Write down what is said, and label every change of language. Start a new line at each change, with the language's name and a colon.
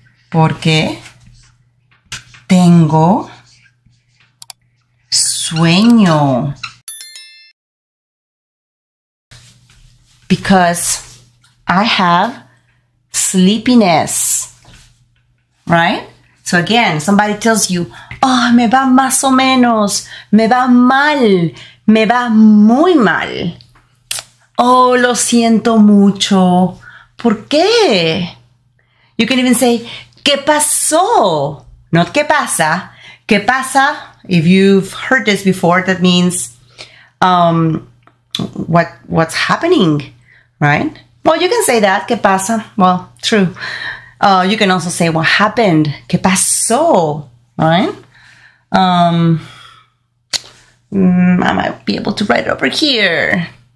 Spanish: Porque tengo sueño.
English: Because I have sleepiness, right? So again, somebody tells you, oh,
Spanish: me va más o menos, me va mal, me va muy mal. Oh, lo siento mucho, ¿Por qué?
English: You can even say,
Spanish: ¿qué pasó? Not ¿qué pasa? ¿Qué pasa?
English: If you've heard this before, that means what's happening, right? Well, you can say that,
Spanish: ¿qué pasa?
English: Well, true. You can also say, what happened?
Spanish: ¿Qué pasó?
English: Right? I might be able to write it over here.